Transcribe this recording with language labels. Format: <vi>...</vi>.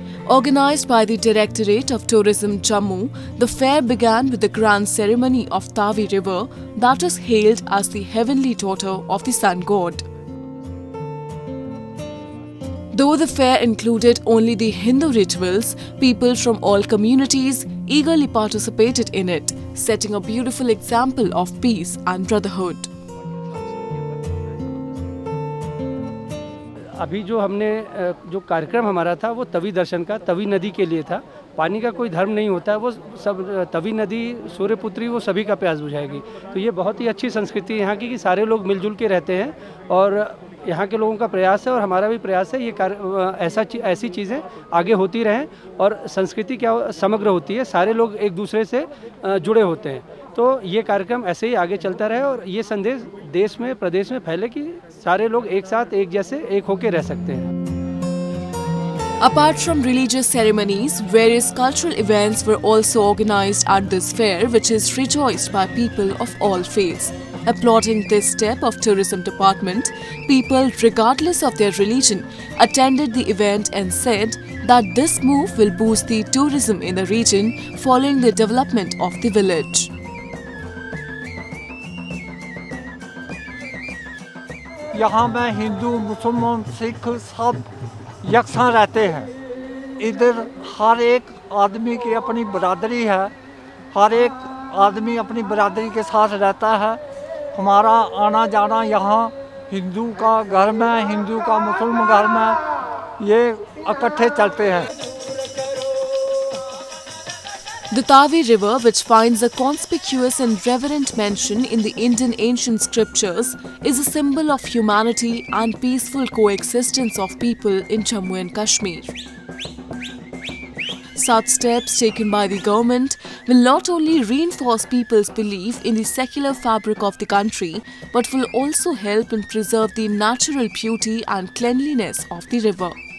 <en>Organized by the Directorate of Tourism Jammu, the fair began with the grand ceremony of Tawi River that is hailed as the heavenly daughter of the sun god. Though the fair included only the Hindu rituals, people from all communities eagerly participated in it, setting a beautiful example of peace and brotherhood.</en> <hi>अभी जो हमने जो कार्यक्रम हमारा था वो तवी दर्शन का तवी नदी के लिए था पानी का कोई धर्म नहीं होता है वो सब तवी नदी सूर्यपुत्री वो सभी का प्यास बुझाएगी तो ये बहुत ही अच्छी संस्कृति यहाँ की कि सारे लोग मिलजुल के रहते हैं और यहाँ के लोगों का प्रयास है और हमारा भी प्रयास है, ये ऐसी चीज़ें आगे होती रहें। और संस्कृति क्या समग्र होती है, सारे लोग एक दूसरे से जुड़े होते हैं, तो ये कार्यक्रम ऐसे ही आगे चलता रहे और ये संदेश देश में प्रदेश में फैले कि सारे लोग एक साथ एक जैसे एक होकर रह सकते हैं।</hi> <en>Apart from religious ceremonies, various cultural events were also organized at this fair, which is rejoiced by people of all faiths. Applauding this step of tourism department, people, regardless of their religion, attended the event and said that this move will boost the tourism in the region following the development of the village.</en> <hi>यहाँ मैं हिंदू मुसलमान सिख सब यकसा रहते हैं। इधर हर एक आदमी की अपनी बरादरी है, हर एक आदमी अपनी बरादरी के साथ रहता है। हमारा आना जाना यहाँ हिंदू का घर में, हिंदू का मुसलमान घर में, ये इकट्ठे चलते हैं।</hi> <en>The Tavi River, which finds a conspicuous and reverent mention in the Indian ancient scriptures, is a symbol of humanity and peaceful coexistence of people in Jammu and Kashmir. Such steps taken by the government will not only reinforce people's belief in the secular fabric of the country, but will also help in preserve the natural beauty and cleanliness of the river.</en>